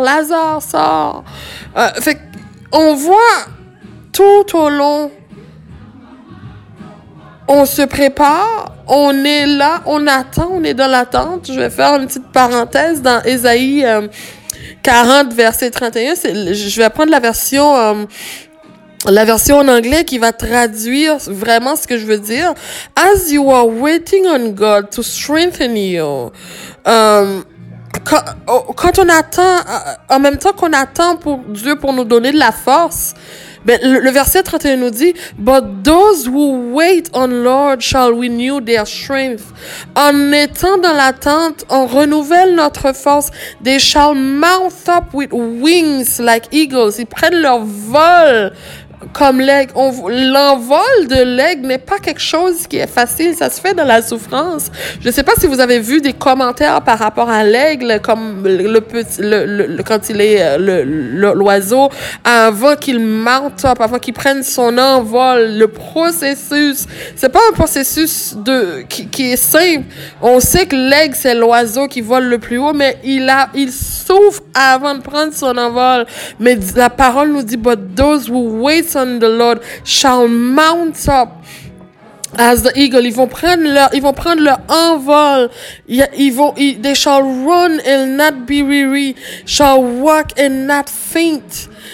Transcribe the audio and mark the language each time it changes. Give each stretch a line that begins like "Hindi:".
French: Lazare sort. Fait qu'on voit tout au long, on se prépare, on est là, on attend, on est dans l'attente. Je vais faire une petite parenthèse dans Ésaïe 40, verset 31. Je vais prendre la version... La version en anglais qui va traduire vraiment ce que je veux dire.
English: As you are waiting on God to strengthen you.
French: Quand on attend, en même temps qu'on attend pour Dieu pour nous donner de la force, ben, le verset 31 nous dit,
English: but those who wait on Lord shall renew their strength.
French: En étant dans l'attente, on renouvelle notre force.
English: They shall mount up with wings like eagles.
French: Ils prennent leur vol. Comme l'aigle, l'envol de l'aigle n'est pas quelque chose qui est facile, ça se fait dans la souffrance. Je ne sais pas si vous avez vu des commentaires par rapport à l'aigle, comme l'oiseau, avant qu'il monte, avant qu'il prenne son envol, le processus. C'est pas un processus qui est simple. On sait que l'aigle, c'est l'oiseau qui vole le plus haut, mais il souffre avant de prendre son envol. Mais la parole nous dit,
English: but those who wait on the Lord shall mount up as the eagle.
French: Ils vont prendre leur envol.
English: They shall run and not be weary, shall walk and not faint.